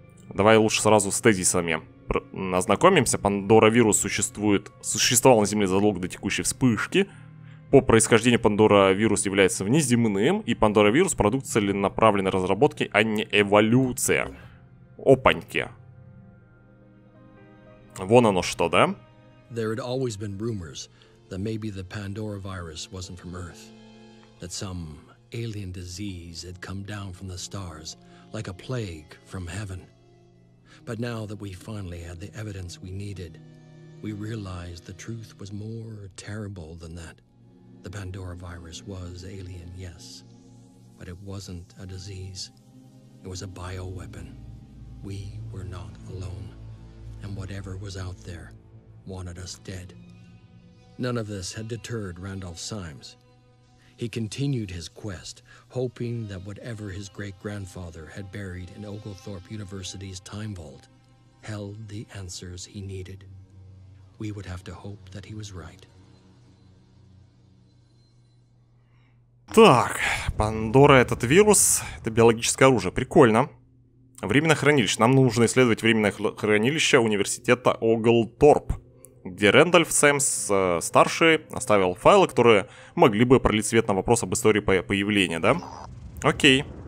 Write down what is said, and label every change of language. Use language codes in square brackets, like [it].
[ru] Давай лучше сразу с тезисами ознакомимся. Пандоровирус существовал на Земле задолго до текущей вспышки. По происхождению пандоровирус является внеземным, и пандоровирус — продукт целенаправленной разработки, а не эволюция. Опаньки. Вон оно что, да? [en] There had always been rumors that maybe the Pandora virus wasn't from Earth. That some alien disease had come down from the stars, like a plague from heaven. But now that we finally had the evidence we needed, we realized the truth was more terrible than that. The Pandora virus was alien, yes. But it wasn't a disease. It was a bioweapon. We were not alone, and whatever was out there wanted us dead. None of this had deterred Randolph Symes. He continued his quest, hoping that whatever his great-grandfather had buried in Oglethorpe University's time vault held the answers he needed. We would have to hope that he was right. [ru] Так, Пандора, этот вирус, это биологическое оружие. Прикольно. Временное хранилище. Нам нужно исследовать временное хранилище университета Оглторп, где Рэндольф Сэмс, старший, оставил файлы, которые могли бы пролить свет на вопрос об истории появления, да? Окей.